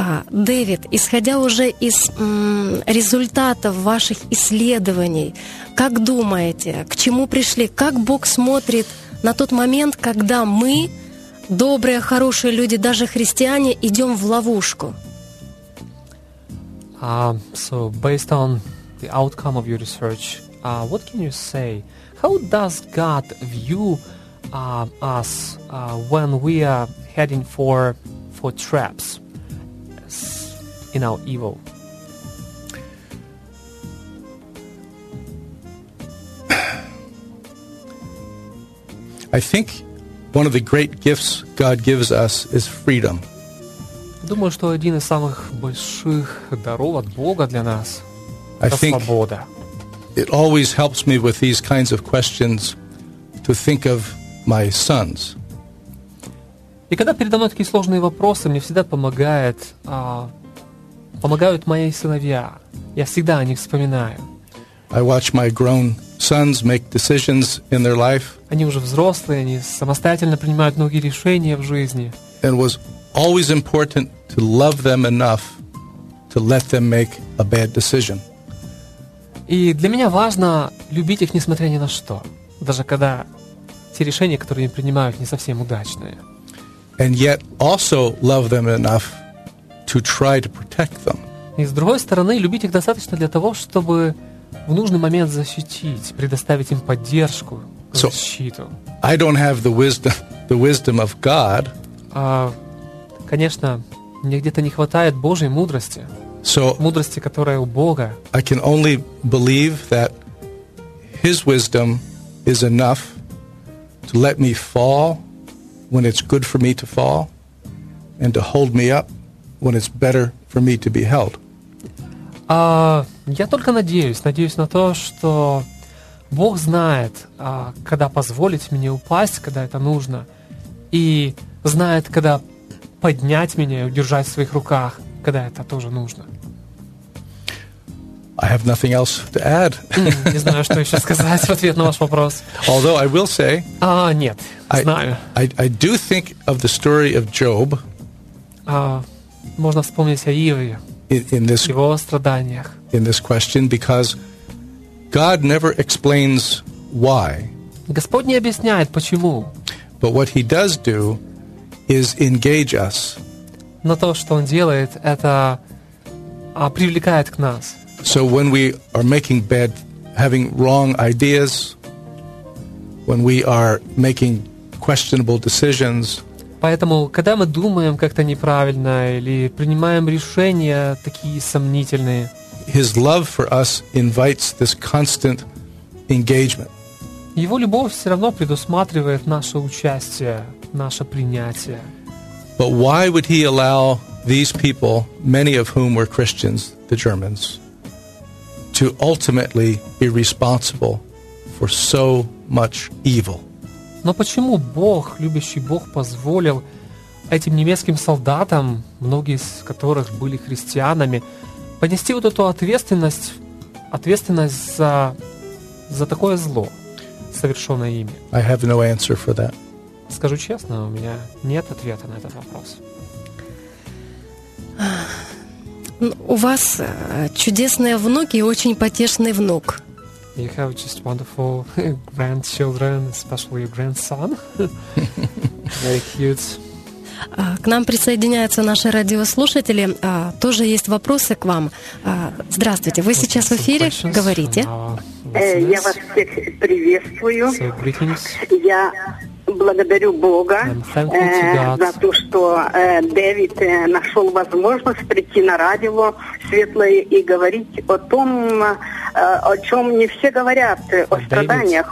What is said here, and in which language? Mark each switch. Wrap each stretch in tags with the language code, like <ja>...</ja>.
<ru>Дэвид, исходя уже из результатов ваших исследований, как думаете, к чему пришли, как Бог смотрит на тот момент, когда мы, добрые, хорошие люди, даже христиане, идем в ловушку?</ru> <en>So based on the outcome of your research, what can you say? How does God view us when we are heading for traps in our evil? I think one of the great gifts God gives us is freedom.</en> <ru>Думаю, что один из самых больших даров от Бога для нас — это свобода.</ru> <en>It always helps me with these kinds of questions to think of my sons.</en> <ru>И когда передо мной такие сложные вопросы, мне всегда помогает, помогают мои сыновья. Я всегда о них вспоминаю.</ru> <en>I watch my grown sons make decisions in their life.</en> <ru>Они уже взрослые, они самостоятельно принимают многие решения в жизни.</ru> <en>And was always important to love them enough to let them make a bad decision.</en> <ru>И для меня важно любить их несмотря ни на что, даже когда те решения, которые они принимают, не совсем удачные.</ru> <en>And yet also love them enough to try to protect them.</en> <ru>И с другой стороны, любить их достаточно для того, чтобы в нужный момент защитить, предоставить им поддержку, защиту.</ru> <en>So, I don't have the wisdom of God.</en> <ru>Конечно, мне где-то не хватает Божьей мудрости,</ru> <en>so,</en> <ru>мудрости, которая у Бога.</ru> <en>I can only believe that His wisdom is enough to let me fall when it's good for me to fall, and to hold me up when it's better for me to be held.</en> <ru>Я только надеюсь на то, что Бог знает, когда позволить мне упасть, когда это нужно, и знает, когда поднять меня и удержать в своих руках, когда это тоже нужно.</ru> <en>I have nothing else to add.</en> <ru>Не знаю, что еще сказать в ответ на ваш вопрос.</ru> <en>Although I will say.</en> <ru>Нет, знаю.</ru> <en>I do think of the story of Job.</en> <ru>Можно вспомнить о Иове.</ru> <en>In</en> <ru>его страданиях.</ru> <en>In this question, because God never explains why.</en> <ru>Господь не объясняет почему.</ru> <en>But what He does do is engage us.</en> <ru>Но то, что он делает, это привлекает к нас.</ru> <en>So when we are making bad, having wrong ideas, when we are making questionable decisions.</en> <ru>Поэтому, когда мы думаем как-то неправильно или принимаем решения такие сомнительные,</ru> <en>His love for us invites this constant engagement.</en> <ru>Его любовь все равно предусматривает наше участие. Наше принятие.</ru> <en>But why would he allow these people, many of whom were Christians, the Germans, to ultimately be responsible for so much evil?</en> <ru>Но почему Бог, любящий Бог, позволил этим немецким солдатам, многие из которых были христианами, понести вот эту ответственность за такое зло, совершенное ими?</ru> <en>I have no answer for that.</en> <ru>Скажу честно, у меня нет ответа на этот вопрос. У вас чудесные внуки и очень потешный внук.</ru> <en>You have just wonderful grandchildren, especially your grandson. Very cute.</en> <ru>К нам присоединяются наши радиослушатели. Тоже есть вопросы к вам. Здравствуйте, вы сейчас в эфире, говорите. Я вас всех приветствую.</ru> <en>So, greetings.</en> <ru>Я благодарю Бога за то, что Дэвид нашел возможность прийти на радио Светлое и говорить о том, о чем не все говорят, о страданиях.</ru>